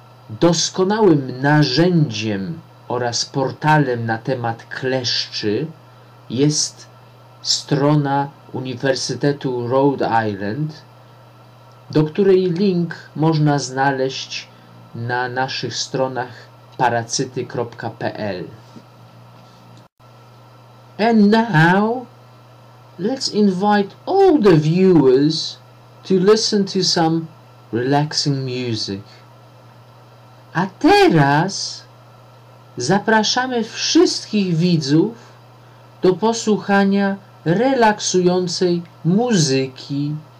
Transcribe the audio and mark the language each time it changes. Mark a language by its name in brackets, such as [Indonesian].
[Polish] Doskonałym narzędziem oraz portalem na temat kleszczy jest strona Uniwersytetu Rhode Island, do której link można znaleźć na naszych stronach paracyty.pl. [English] And now, let's invite all the viewers to listen to some relaxing music. [Polish] A teraz zapraszamy wszystkich widzów do posłuchania relaksującej muzyki.